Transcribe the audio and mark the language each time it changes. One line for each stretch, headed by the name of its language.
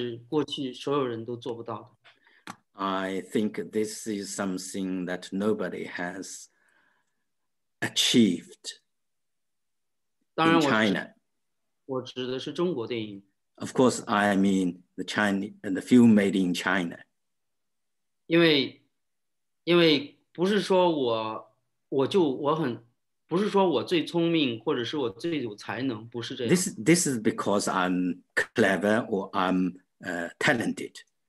Chinese: 所以我觉得这个是过去所有人都做不到的。
English: I think this is something that nobody has achieved in China.
Chinese: 我指的是中国电影。
English: Of course, I mean the Chinese and the film made in China.
Chinese: 因为不是说我最聪明或者是我最有才能，不是这样。
English: This is because I'm clever or I'm talented.